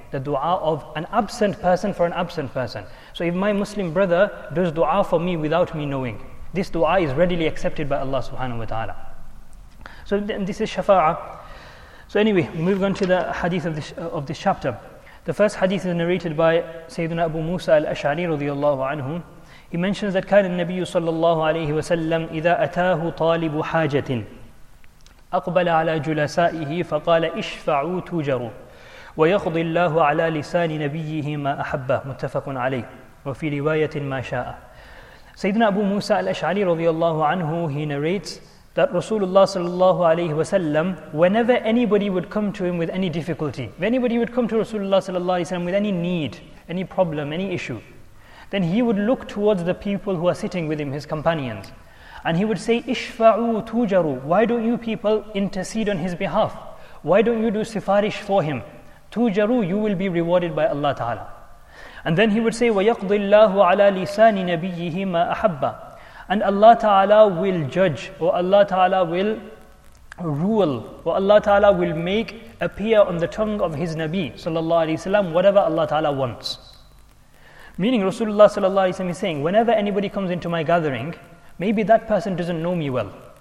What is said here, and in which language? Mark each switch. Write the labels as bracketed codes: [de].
[en] The du'a of an absent person for an absent person. So if my Muslim brother does du'a for me without me knowing, this du'a is readily accepted by Allah subhanahu wa ta'ala. So this is shafa'a. So anyway, moving on to the hadith of this chapter. The first hadith is narrated by Sayyidina Abu Musa al-Ash'ari radiyallahu anhu. He mentions that [ar] كان النبي صلى الله عليه وسلم إذا أتاه طالب حاجة أقبل على جلسائه فقال اشفعوا تجروا ويقضي الله على لسان نبيه ما أحبه متفق عليه وفي رواية ما شاء. [en] Sayyidina Abu Musa al-Ash'ari radiyallahu anhu, he narrates that Rasulullah sallallahu alayhi wa sallam, whenever anybody would come to him with any difficulty, if anybody would come to Rasulullah sallallahu alayhi wa sallam with any need, any problem, any issue, then he would look towards the people who are sitting with him, his companions, and he would say, ishfa'u tujaru, why don't you people intercede on his behalf? Why don't you do sifarish for him? Tujaru, you will be rewarded by Allah ta'ala. And then he would say, [ar] وَيَقْضِ اللَّهُ عَلَى لِسَانِ نَبِيِّهِ مَا أَحَبَّ. [en] And Allah Ta'ala will judge, or Allah Ta'ala will rule, or Allah Ta'ala will make appear on the tongue of his Nabi sallallahu alayhi wa sallam whatever Allah Ta'ala wants. Meaning Rasulullah sallallahu alayhi wa sallam is saying, whenever anybody comes into my gathering, maybe that person doesn't know me well.